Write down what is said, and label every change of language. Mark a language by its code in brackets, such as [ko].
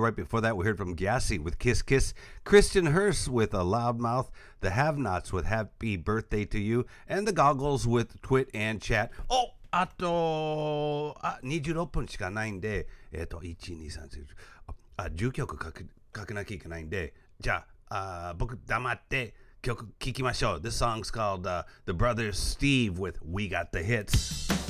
[en] Right before that, we heard from Gyasi with Kiss Kiss, Christian Hurst with A Loud Mouth, the Have-Nots with Happy Birthday to You, and the Goggles with Twit and Chat. [ja] Oh, ato, 26 分しかないんで、1、2、3、4、10曲かけなきゃいけないんで、じゃあ、僕黙って曲聴きましょう。 [en] This song's called The Brothers Steve with We Got the Hits.